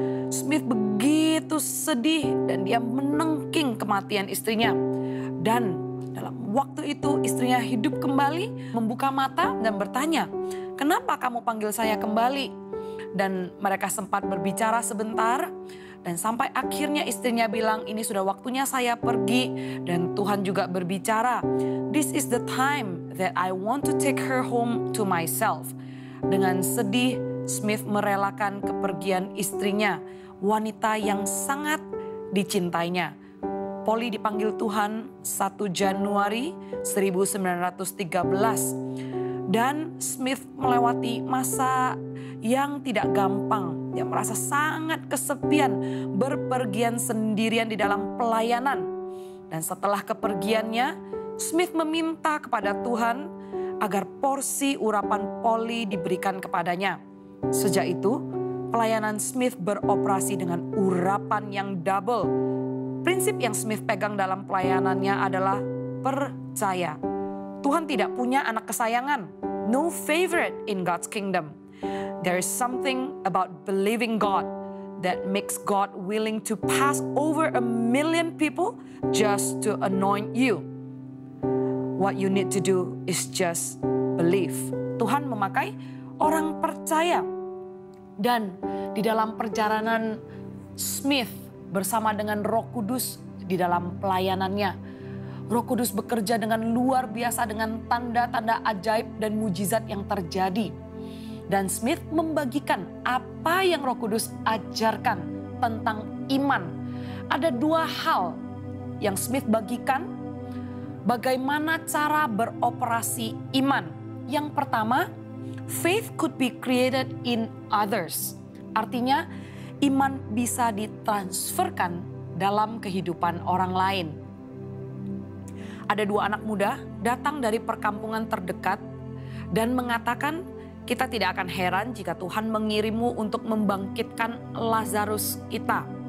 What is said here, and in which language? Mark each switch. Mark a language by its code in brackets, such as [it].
[id] Smith begitu sedih dan dia menengking kematian istrinya. Dan dalam waktu itu istrinya hidup kembali, membuka mata dan bertanya, "Kenapa kamu panggil saya kembali?" Dan mereka sempat berbicara sebentar dan sampai akhirnya istrinya bilang, "Ini sudah waktunya saya pergi." Dan Tuhan juga berbicara, [en] "This is the time that I want to take her home to myself." [id] Dengan sedih, Smith merelakan kepergian istrinya, wanita yang sangat dicintainya. Polly dipanggil Tuhan 1 Januari 1913. Dan Smith melewati masa yang tidak gampang. Dia merasa sangat kesepian, berpergian sendirian di dalam pelayanan. Dan setelah kepergiannya, Smith meminta kepada Tuhan agar porsi urapan Polly diberikan kepadanya. Sejak itu, pelayanan Smith beroperasi dengan urapan yang double. Prinsip yang Smith pegang dalam pelayanannya adalah percaya. Tuhan tidak punya anak kesayangan. [en] No favorite in God's kingdom. There is something about believing God that makes God willing to pass over a million people just to anoint you. What you need to do is just believe. [id] Tuhan memakai orang percaya. Dan di dalam perjalanan Smith bersama dengan Roh Kudus di dalam pelayanannya, Roh Kudus bekerja dengan luar biasa dengan tanda-tanda ajaib dan mujizat yang terjadi. Dan Smith membagikan apa yang Roh Kudus ajarkan tentang iman. Ada dua hal yang Smith bagikan, bagaimana cara beroperasi iman. Yang pertama, [en] faith could be created in others. [id] Artinya, iman bisa ditransferkan dalam kehidupan orang lain. Ada dua anak muda datang dari perkampungan terdekat dan mengatakan, "Kita tidak akan heran jika Tuhan mengirimmu untuk membangkitkan Lazarus kita."